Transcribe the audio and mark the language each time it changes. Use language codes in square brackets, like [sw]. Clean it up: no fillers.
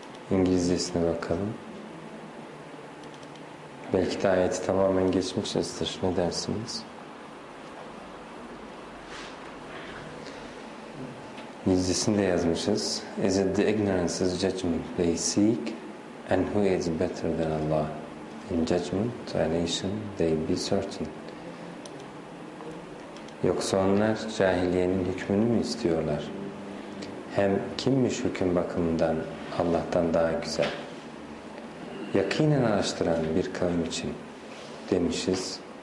[tr] İngilizcesine bakalım. Belki de ayeti tamamen geçmişizdir. Ne dersiniz? İngilizcesini de yazmışız. [en] Is it the ignorance's judgment they seek? And who is better than Allah? In judgment, annihilation, they be certain. [tr] Yoksa onlar cahiliyenin hükmünü mü istiyorlar? Hem kimmiş hüküm bakımından Allah'tan daha güzel? Yakinen araştıran bir kavim için demişiz.